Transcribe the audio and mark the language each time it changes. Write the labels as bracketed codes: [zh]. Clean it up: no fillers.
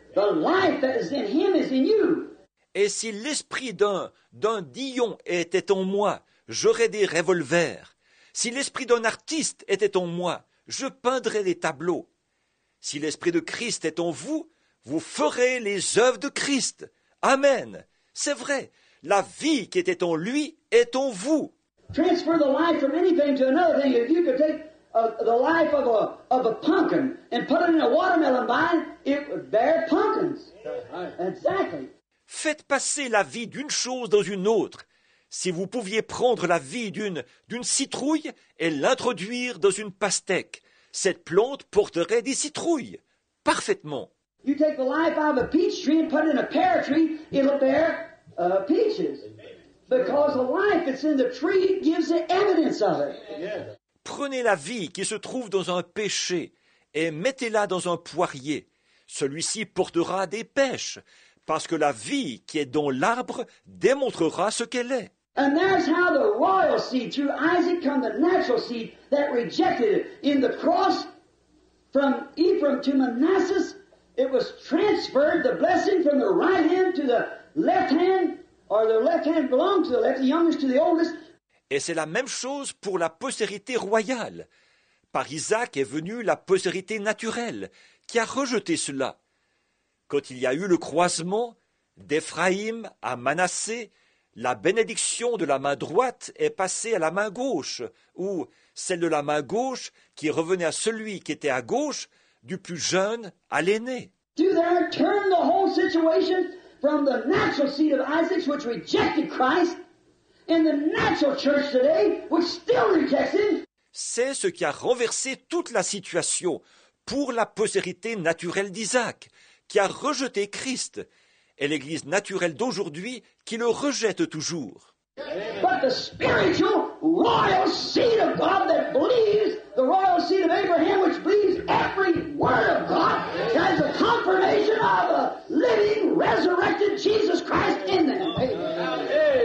[en] The life that is in him is in you. [fr] Et si l'esprit d'un Dion était en moi, j'aurais des revolvers. Si l'esprit d'un artiste était en moi, je peindrais des tableaux. Si l'Esprit de Christ est en vous, vous ferez les œuvres de Christ. Amen. C'est vrai. La vie qui était en lui est en vous. [en] Transfer the life from anything to another thing. If you could take the life of a pumpkin and put it in a watermelon vine, it would bear pumpkins. Exactly. [fr] Faites passer la vie d'une chose dans une autre. Si vous pouviez prendre la vie d'une citrouille et l'introduire dans une pastèque, cette plante porterait des citrouilles. Parfaitement. [en] You take the life out of a peach tree and put it in a pear tree, it'll bear peaches. Because the life that's in the tree gives the evidence of it. [fr] Prenez la vie qui se trouve dans un pêcher et mettez-la dans un poirier. Celui-ci portera des pêches, parce que la vie qui est dans l'arbre démontrera ce qu'elle est. [en] And there's how the royal seed, through Isaac, come the natural seed that rejected it. In the cross, from Ephraim to Manasseh, it was transferred, the blessing from the right hand to the left hand, or the left hand belonged to the left, the youngest to the oldest. [fr] Et c'est la même chose pour la postérité royale. Par Isaac est venue la postérité naturelle, qui a rejeté cela. Quand il y a eu le croisement d'Éphraïm à Manassé, la bénédiction de la main droite est passée à la main gauche, ou celle de la main gauche qui revenait à celui qui était à gauche, du plus jeune à l'aîné. [en] Do there turn the whole situation from the natural seed of Isaac, which rejected Christ, and the natural church today, which still rejects him? [fr] C'est ce qui a renversé toute la situation pour la postérité naturelle d'Isaac, qui a rejeté Christ, et l'Église naturelle d'aujourd'hui qui le rejette toujours. [en] But the spiritual royal seed of God that believes, the royal seed of Abraham which believes every word of God, that is a confirmation of a living, resurrected Jesus Christ in them. Amen.